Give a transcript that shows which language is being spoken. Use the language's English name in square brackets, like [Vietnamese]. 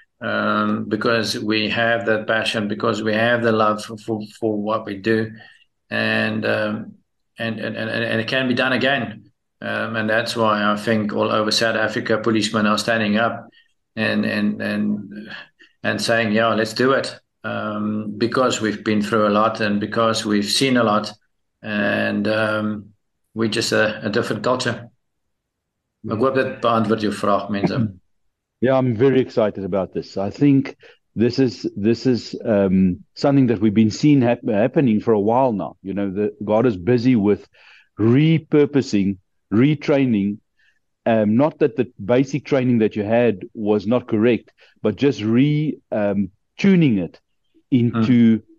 [English] Because we have that passion, because we have the love for what we do, and it can be done again, and that's why I think all over South Africa policemen are standing up and saying, yeah, let's do it, because we've been through a lot and because we've seen a lot, and we're just a different culture. [Afrikaans] Ek hoop dit beantwoord jou vraag, mense. [English] Yeah, I'm very excited about this. I think this is something that we've been seeing happening for a while now. You know, God is busy with repurposing, retraining Not that the basic training that you had was not correct, but just tuning it into.